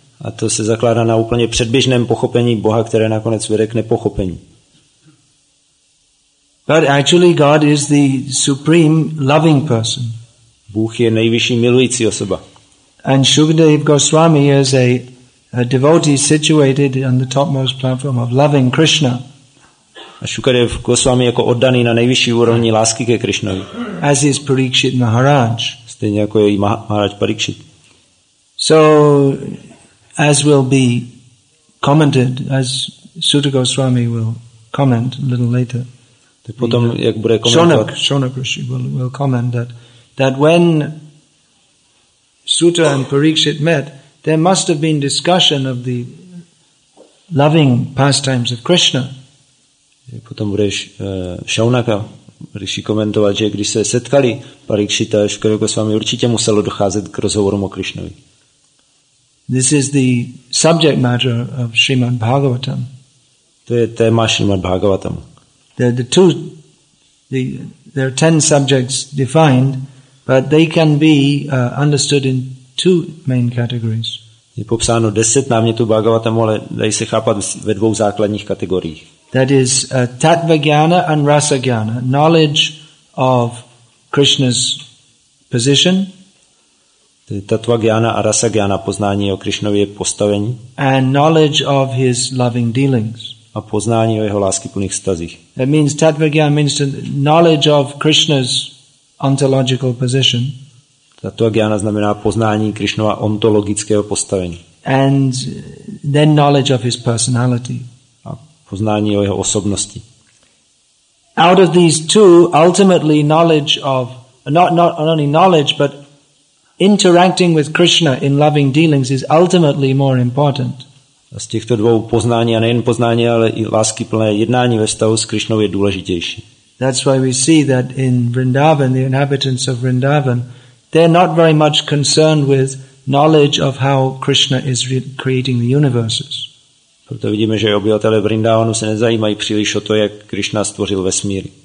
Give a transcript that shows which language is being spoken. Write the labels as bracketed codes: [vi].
[cs] A to se zakládá na úplně předběžném pochopení Boha, které nakonec vede k nepochopení. [en] But actually God is the supreme loving person. [cs] Bůh je nejvyšší milující osoba. [en] And Shukadev Goswami is a devotee situated on the topmost platform of loving Krishna. [cs] A Shukadev Goswami jako oddaný na nejvyšší úrovni lásky ke Krishnovi. [en] As is Parikshit Maharaj. [cs] Stejně jako je Maharaj Parikshit. [en] So, as will be commented, as Suta Goswami will comment a little later. [cs] Tak potom, jak bude komentovat. [en] Shonak Rishi will comment that when Suta and Parikshit met, there must have been discussion of the loving pastimes of Krishna. [cs] Potom bude Shaunaka Rishi komentovat, že když se setkali Parikshit a Shukadev Goswami, určitě muselo docházet k rozhovorům o Krishnovi. [en] This is the subject matter of Srimad Bhagavatam. [cs] To je téma Srimad Bhagavatam. [en] There are 10 subjects defined, but they can be understood in two main categories. [cs] Je popsáno 10 námětů Bhagavatamu, ale dají se chápat ve dvou základních kategoriích. [en] That is tattva jnana and rasa jnana, knowledge of Krishna's position. [cs] To je tattva jnana a rasa jnana, poznání o Krishnově postavení. [en] And knowledge of his loving dealings. [cs] A poznání o jeho láskyplných vztazích. [en] That means tattva jnana means knowledge of Krishna's ontological position. [cs] Tattva jnana znamená poznání Krishnova ontologického postavení. [en] And then knowledge of his personality. [cs] A poznání o jeho osobnosti. [en] Out of these two, ultimately knowledge of not only knowledge, but interacting with Krishna in loving dealings is ultimately more important. [cs] A z těchto dvou poznání, a nejen poznání, ale i láskyplné jednání ve vztahu s Krishnou je důležitější. [en] That's why we see that in Vrindavan, the inhabitants of Vrindavan, they're not very much concerned with knowledge of how Krishna is creating the universes. [cs] Proto vidíme, že obyvatelé Vrindavanu se nezajímají příliš o to, jak Krishna stvořil vesmír.